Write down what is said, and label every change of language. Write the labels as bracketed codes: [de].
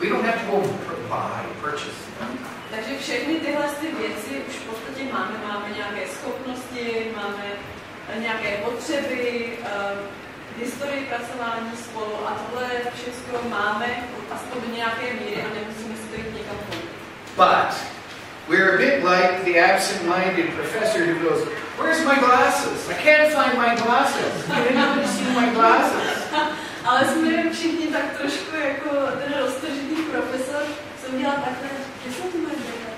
[en] We don't have to go buy, purchase them. [cs] Takže všechny tyhle ty věci už v podstatě máme. Máme nějaké schopnosti, máme nějaké potřeby, historii pracování spolu a tohle všechno máme aspoň do nějaké míry a nemusíme si to jít někam koupit. [en] But we're a bit like the absent-minded professor who goes, where's my glasses? I can't find my glasses. I haven't seen my glasses. [cs] Ale jsme všichni tak trošku jako ten roztržitý profesor, co měl takhle, kde jsou ty moje děti?